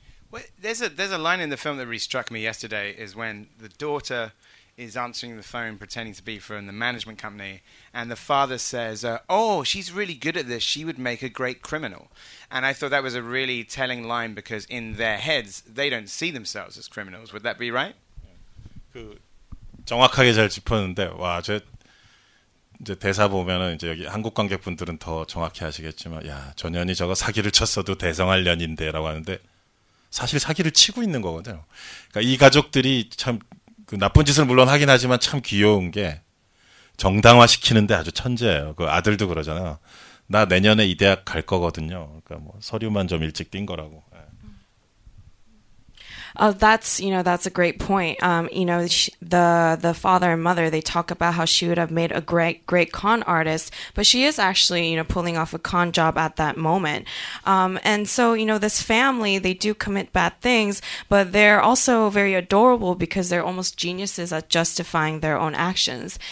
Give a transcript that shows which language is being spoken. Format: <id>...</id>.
<en>Well, there's a line in the film that really struck me yesterday is when the daughter is answering the phone pretending to be from the management company, and the father says, oh, she's really good at this, she would make a great criminal. And I thought that was a really telling line because in their heads, they don't see themselves as criminals. Would that be right?</en> <ko>그 정확하게 잘 짚었는데, 와, 제 이제 대사 보면은 이제 여기 한국 관객분들은 더 정확히 아시겠지만, 야, 전현이 저거 사기를 쳤어도 대성할 년인데 라고 하는데, 사실 사기를 치고 있는 거거든요. 그러니까 이 가족들이 참 그 나쁜 짓을 물론 하긴 하지만 참 귀여운 게 정당화시키는데 아주 천재예요. 그 아들도 그러잖아. 나 내년에 이 대학 갈 거거든요. 그러니까 뭐 서류만 좀 일찍 띈 거라고.</ko> <en>That's a great point. The father and mother, they talk about how she would have made a great con artist, but she is actually, you know, pulling off a con job at that moment. And so, you know, this family, they do commit bad things, but they're also very adorable because they're almost geniuses at justifying their own actions.</en>